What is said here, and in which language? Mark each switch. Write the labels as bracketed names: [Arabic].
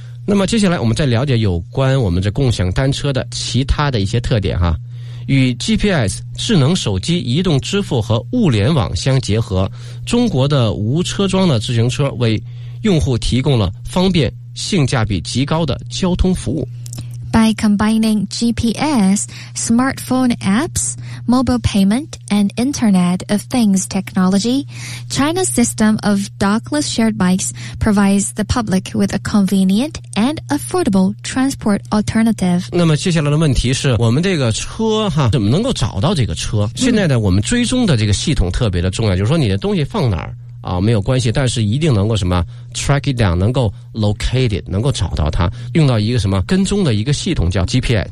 [Chinese] 那么接下来我们再了解有关我们这共享单车的其他的一些特点哈，与 GPS 智能手机、移动支付和物联网相结合，中国的无车桩的自行车为用户提供了方便、性价比极高的交通服务。 [English] By combining GPS, smartphone apps, mobile payment, and Internet of Things technology, China's system of dockless shared bikes provides the public with a convenient and affordable transport alternative. [Chinese] 那么接下来的问题是，我们这个车哈，怎么能够找到这个车？现在呢，我们追踪的这个系统特别的重要，就是说你的东西放哪儿啊，没有关系，但是一定能够什么 [English] track it down， [Chinese] 能够 [English] locate it， [Chinese] 能够找到它，用到一个什么跟踪的一个系统叫 GPS。